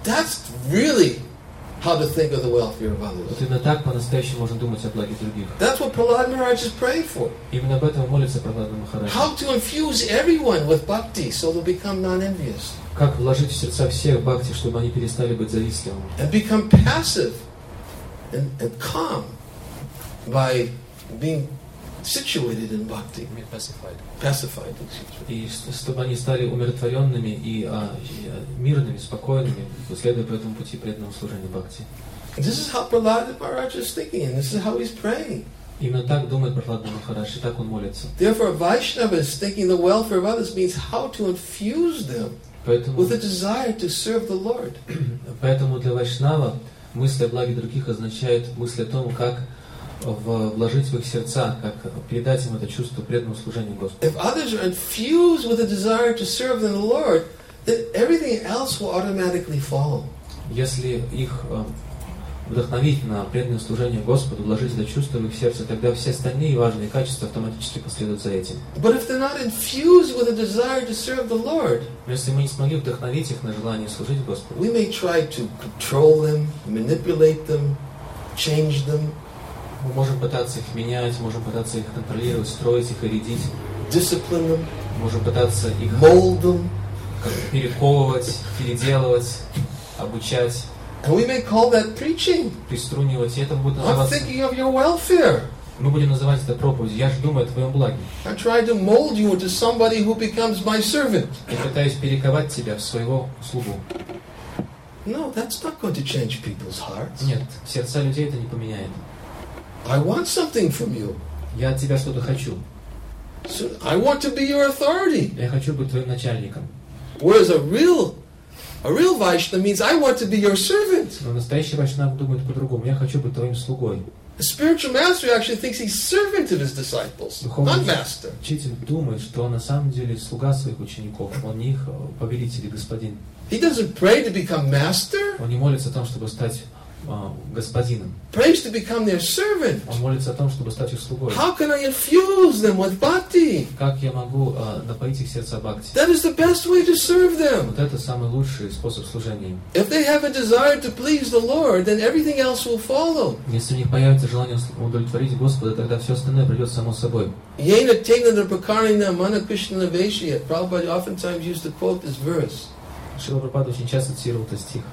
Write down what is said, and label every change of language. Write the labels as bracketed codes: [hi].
[en] That's really how to think of the welfare of others. [ru] Вот именно так по-настоящему можно думать о благе других. [en] That's what Prahlad Maharaj is praying for. [ru] Именно об этом молится Прахлада Махарадж. [en] How to infuse everyone with bhakti so they'll become non-envious. [ru] Как вложить в сердца всех бхакти, чтобы они перестали быть завистливыми. [en] And become passive and calm by being situated in bhakti. I mean pacified. Pacified. [ru] И чтобы они стали умиротворенными и мирными, спокойными, следуя по этому пути преданного служения бхакти. [en] This is how Prahlad Maharaj is thinking, and this is how he's praying. [ru] Именно так думает Прахлад Махарадж, и так он молится. [en] Therefore, Vaishnava is thinking the welfare of others means how to infuse them with a desire to serve the Lord. [ru] Поэтому для Вайшнава мысль о благе других означает мысль о том, как вложить в их сердца, как передать им это чувство преданного служения Господу. [en] If others are infused with a desire to serve the Lord, then everything else will automatically follow. [ru] Если их вдохновить на преданное служение Господу, вложить это чувство в их сердце, тогда все остальные важные качества автоматически последуют за этим. [en] But if they're not infused with a desire to serve the Lord, [ru] если мы не смогли вдохновить их на желание служить Господу, [en] we may try to control them, manipulate them, change them. [ru] Мы можем пытаться их менять, можем пытаться их контролировать, строить их и рядить. [en] discipline them, [ru] можем пытаться их [en] mold them, [ru] перековывать, переделывать, обучать. [en] And we may call that preaching. [ru] Приструнивать, это будет называться. [en] I'm thinking of your welfare. [ru] Мы будем называть это проповедь. Я же думаю о твоем благе. [en] I try to mold you into somebody who becomes my servant. [ru] Я пытаюсь перековать тебя в своего слугу. [en] No, that's not going to change people's hearts. [ru] Нет, сердца людей это не поменяет. [en] I want something from you. [ru] Я от тебя что-то хочу. [en] So I want to be your authority. [ru] Я хочу быть твоим начальником. [en] Whereas a real Vaishnava means I want to be your servant. [ru] Но настоящий вайшнав думает по-другому. Я хочу быть твоим слугой. [en] A spiritual master actually thinks he's servant of his disciples, not master. [ru] Учитель думает, что он на самом деле слуга своих учеников. Он не их повелитель и господин. [en] He doesn't pray to become master. [ru] Он не молится о том, чтобы стать господином. [en] Prays to become their servant. [ru] Он молится о том, чтобы стать их слугой. [en] How can I infuse them with bhakti? [ru] Как я могу напоить их сердца бхакти? [en] That is the best way to serve them. [ru] Вот это самый лучший способ служения. [en] If they have a desire to please the Lord, then everything else will follow. [ru] Если у них появится желание удовлетворить Господа, тогда все остальное придет само собой. [sa] Yena tena prakarena mana krishna vaishya. [en] Prabhupada oftentimes used to quote this verse. [ru] Шрила Прабхупада очень часто цитировал этот стих.